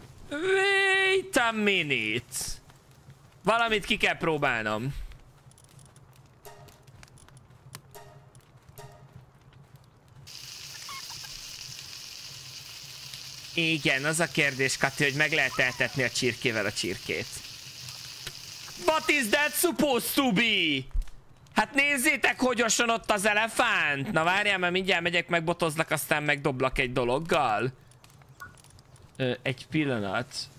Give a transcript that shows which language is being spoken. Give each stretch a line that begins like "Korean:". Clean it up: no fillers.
English: Wait a minute!
Hungarian: Valamit ki kell próbálnom. Igen, az a kérdés, Kati, hogy meg lehet eltetni a csirkével a csirkét.
English: What is that supposed to be?
Hungarian: Hát nézzétek, hogy oson ott az elefánt! Na várjál, mert mindjárt megyek, megbotozlak, aztán megdoblak egy dologgal. Egy pillanat.